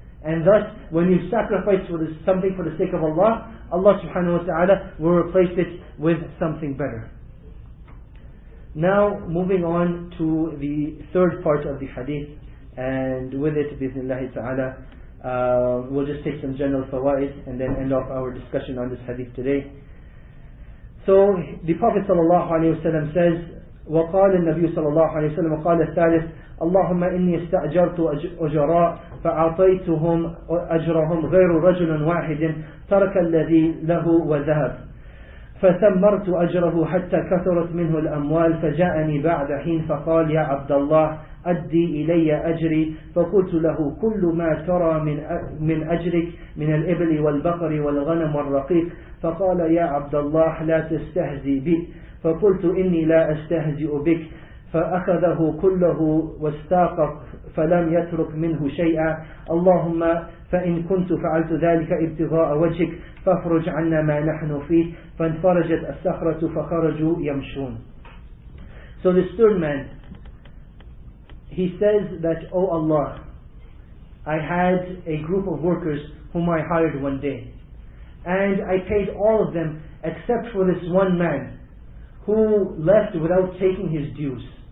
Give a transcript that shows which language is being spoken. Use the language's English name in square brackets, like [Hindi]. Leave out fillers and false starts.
[English] And thus, when you sacrifice for something for the sake of Allah, Allah subhanahu wa ta'ala will replace it with something better. Now, moving on to the third part of the hadith, and with it, bismillahi ta'ala, we'll just take some general fawa'id and then end off our discussion on this hadith today. So, the Prophet sallallahu alayhi wa sallam says, [Arabic] وقال النبي صلى الله عليه وسلم وقال الثالث اللهم إني استأجرت أجراء فأعطيتهم أجرهم غير رجل واحد ترك الذي له وذهب فثمرت أجره حتى كثرت منه الأموال فجاءني بعد حين فقال يا عبد الله أدي إلي أجري فقلت له كل ما ترى من أجرك من الإبل والبقر والغنم والرقيق فقال يا عبد الله لا تستهزئ بي فقلت إني لا أستهزئ بك فأخذه كله واستاق فلم يترك منه شيئا اللهم فإن كنت فعلت ذلك ابتغاء وجهك فافرج عنا ما نحن فيه فانفرجت الصخرة فخرجوا يمشون. [English] So this third man, he says that, oh Allah, I had a group of workers whom I hired one day, and I paid all of them except for this one man who left without taking his dues.